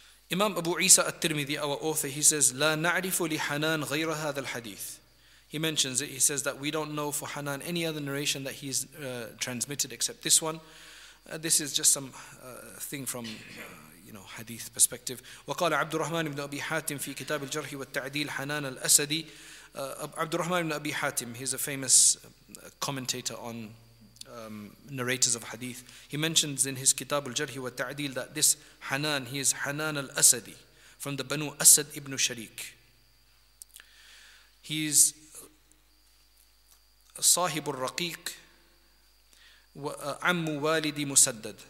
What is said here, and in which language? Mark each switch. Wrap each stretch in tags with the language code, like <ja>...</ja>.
<en>Imam Abu Isa al-Tirmidhi, our author, he says,</en> <ar>لا نعرف لحنان غير هذا الحديث.</ar> <en>He mentions it, he says that we don't know for Hanan any other narration that he's transmitted except this one. This is just some thing from, you know, hadith perspective.</en> <ar>وقال عبد الرحمن بن أبي حاتم في كتاب الجرح والتعديل حنان الأسدي.</ar> <en>عبد الرحمن بن أبي حاتم, he's a famous commentator on narrators of hadith. He mentions in his kitab al-jarh wal-ta'dil that this Hanan, he is Hanan al-Asadi from the Banu Asad ibn Shariq. He is Sahib al-Raqiq, Ammu Walidi Musaddad.</en>